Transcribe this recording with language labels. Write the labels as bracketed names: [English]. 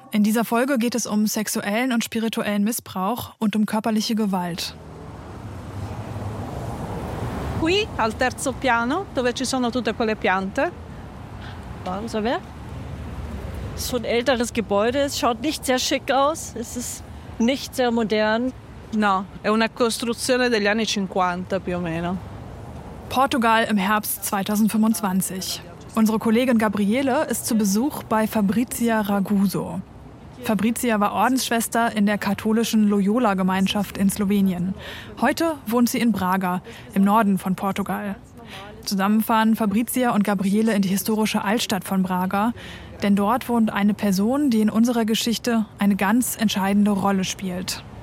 [German] In dieser Folge geht es um sexuellen und spirituellen Missbrauch und um körperliche Gewalt. [Italian] Qui al terzo piano, dove ci sono tutte quelle piante. [German] Warum so wer? So ein älteres Gebäude, es schaut nicht sehr schick aus, es ist nicht sehr modern. [Italian] No, è una costruzione degli anni 50 più o meno. [German] Portugal im Herbst 2025. Unsere Kollegin Gabriele ist zu Besuch bei Fabrizia Raguso. Fabrizia war Ordensschwester in der katholischen Loyola-Gemeinschaft in Slowenien. Heute wohnt sie in Braga, im Norden von Portugal. Zusammen fahren Fabrizia und Gabriele in die historische Altstadt von Braga, denn dort wohnt eine Person, die in unserer Geschichte eine ganz entscheidende Rolle spielt.